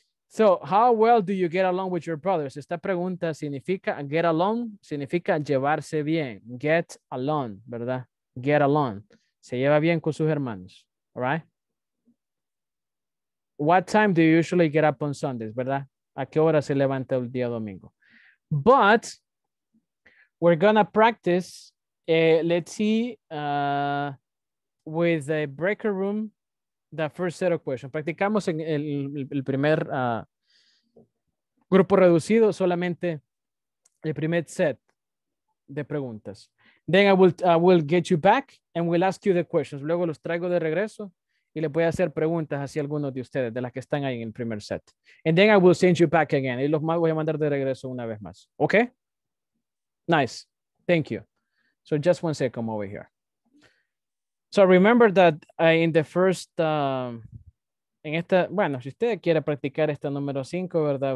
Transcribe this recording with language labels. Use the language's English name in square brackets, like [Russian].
[English] So, how well do you get along with your brothers? [Spanish] Esta pregunta significa, get along, significa llevarse bien. Get along, ¿verdad? Get along. ¿Se lleva bien con sus hermanos? All right. [English] What time do you usually get up on Sundays, ¿verdad? [Spanish] ¿A qué hora se levanta el día domingo? [English] But we're gonna practice, let's see, with the breaker room, the first set of questions. [Spanish] Practicamos en el primer grupo reducido, solamente el primer set de preguntas. [English] Then I will get you back and we'll ask you the questions. [Spanish] Luego los traigo de regreso y le voy a hacer preguntas hacia algunos de ustedes, de las que están ahí en el primer set. [English] And then I will send you back again. [Spanish] Y los más voy a mandar de regreso una vez más. Okay? Nice. Thank you. [English] So just one second over here. So remember that in the first, [Spanish] en esta, bueno, si usted quiere practicar esta número 5, ¿verdad?